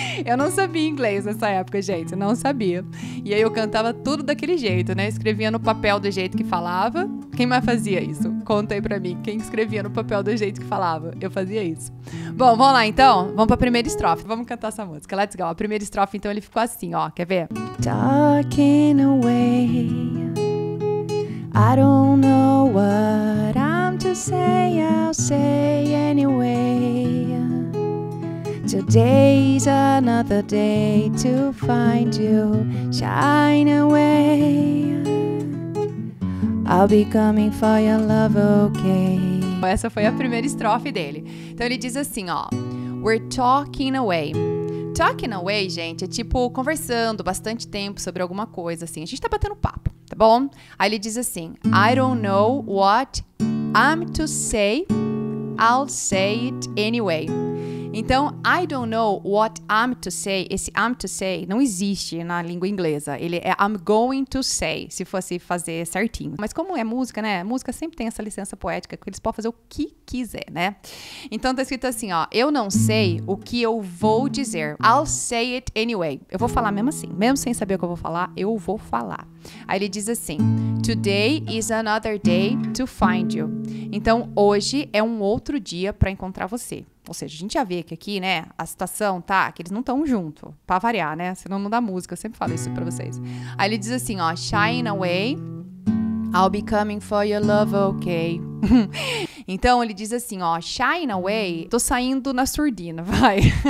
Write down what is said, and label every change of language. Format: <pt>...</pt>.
<pt>Eu não sabia inglês nessa época, gente. Não sabia. E aí eu cantava tudo daquele jeito, né? Escrevia no papel do jeito que falava. Quem mais fazia isso? Conta aí pra mim. Quem escrevia no papel do jeito que falava? Eu fazia isso. Bom, vamos lá, então. Vamos pra primeira estrofe. Vamos cantar essa música.</pt> <en>Let's go.</en> <pt>A primeira estrofe, então, ele ficou assim, ó. Quer ver?</pt> <en>Talking away, I don't know what I'm to say, I'll say anyway. Today's another day to find you, shine away. I'll be coming for your love, okay?</en> <pt>Essa foi a primeira estrofe dele. Então ele diz assim, ó.</pt> <en>We're talking away. Talking away,</en> <pt>gente, é tipo conversando bastante tempo sobre alguma coisa, assim. A gente tá batendo papo, tá bom? Aí ele diz assim,</pt> <en>I don't know what I'm to say, I'll say it anyway.</en> <pt>Então,</pt> <en>I don't know what I'm to say.</en> <pt>Esse</pt> <en>I'm to say</en> <pt>não existe na língua inglesa. Ele é</pt> <en>I'm going to say,</en> <pt>se fosse fazer certinho. Mas como é música, né? Música sempre tem essa licença poética, que eles podem fazer o que quiser, né? Então, tá escrito assim, ó. Eu não sei o que eu vou dizer.</pt> <en>I'll say it anyway.</en> <pt>Eu vou falar mesmo assim. Mesmo sem saber o que eu vou falar, eu vou falar. Aí ele diz assim,</pt> <en>today is another day to find you.</en> <pt>Então, hoje é um outro dia pra encontrar você. Ou seja, a gente já vê que aqui, né, a situação tá que eles não estão junto, pra variar, né? Senão não dá música, eu sempre falo isso pra vocês. Aí ele diz assim, ó,</pt> <en>shine away, I'll be coming for your love, okay?</en> <pt>Então ele diz assim, ó,</pt> <en>shine away,</en> <pt>tô saindo na surdina, vai.</pt>